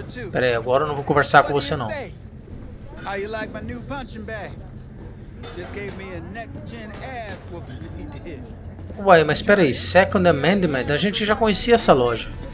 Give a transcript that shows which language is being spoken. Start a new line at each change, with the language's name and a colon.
Portuguese: Pera aí, agora eu não vou conversar com você não.
English: How you like my new punching bag? Just gave me a next-gen ass whooping he did.
Portuguese: Uai, mas espera aí, Second Amendment, a gente já conhecia essa loja.